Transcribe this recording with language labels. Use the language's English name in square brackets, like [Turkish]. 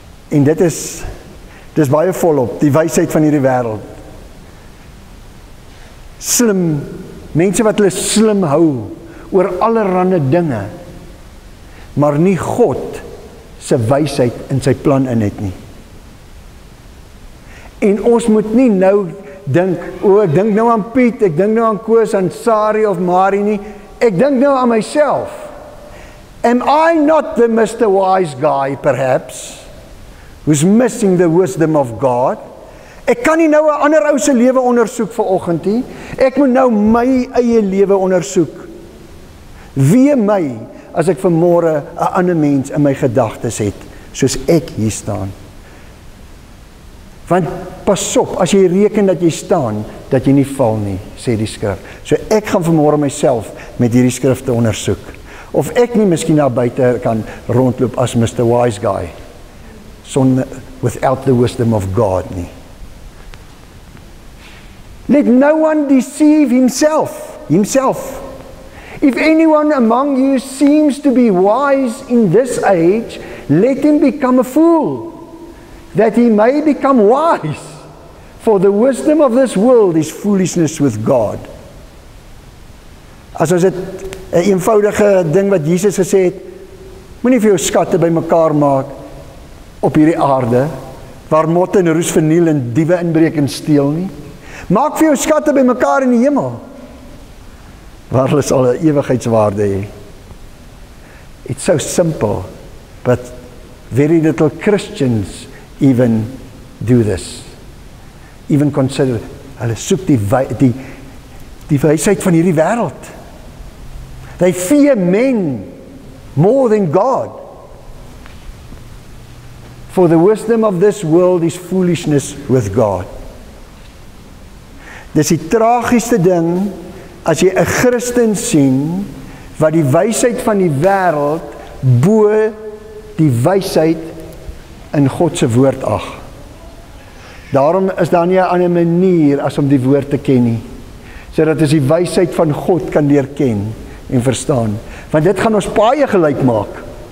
[Afrikaans] En dis baie volop, die wysheid van hierdie wêreld. Slim, mense wat hulle slim hou oor allerhande dinge, maar nie God se wysheid in sy plan in het nie. En ons moet nie nou dink, ek dink nou aan Piet, ek dink nou aan Koos, aan Sari of Mari nie. Ek dink nou aan myself. [English] Am I not the Mr. Wise guy perhaps, who's missing the wisdom of God? [Afrikaans] Ek kan nie nou 'n ander ou se lewe ondersoek vanoggend nie. Ek moet nou my eie lewe ondersoek. Wie my as ek vanmôre 'n ander mens in my gedagtes het, soos ek hier staan. Want pas op, as jy reken dat jy staan, dat jy nie val nie, sê die skrif. So ek gaan vanmôre myself met hierdie skrifte ondersoek. Of ek nie miskien daar buite kan rondloop as Mr. Wise Guy, [English] without the wisdom of God [Afrikaans] nie. [English] Let no one deceive himself. If anyone among you seems to be wise in this age, let him become a fool, that he may become wise. For the wisdom of this world is foolishness with God. [Afrikaans] As dit 'n eenvoudige ding wat Jesus gesê het, moenie vir jou skatte bymekaar maak op hierdie aarde, waar motte en roes verniel en diewe inbreek en steel nie. Maak vir jou skatte bymekaar in die hemel, waar hulle sal 'n ewigheidswaarde hê. [English] It's so simple, but very little Christians even do this. Even consider, [Afrikaans] hulle soek die wysheid van hierdie wêreld. [English] They fear men more than God. For the wisdom of this world is foolishness with God. [Afrikaans] Dis die tragiese ding as jy 'n Christen sien wat die wysheid van die wêreld bo die wysheid in God se woord ag. Daarom is daar nie 'n ander manier as om die woord te ken nie, sodat ons die wysheid van God kan leer ken en verstaan, want dit gaan ons baie gelyk maak.